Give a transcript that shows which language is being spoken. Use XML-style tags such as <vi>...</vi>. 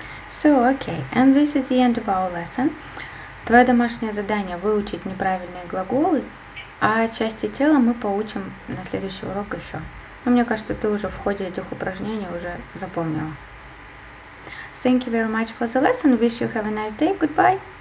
<en>So, okay, and this is the end of our lesson.</en> <ru>Твое домашнее задание – выучить неправильные глаголы, а части тела мы поучим на следующий урок еще. Но мне кажется, ты уже в ходе этих упражнений уже запомнила.</ru> <en>Thank you very much for the lesson. Wish you have a nice day. Goodbye.</en>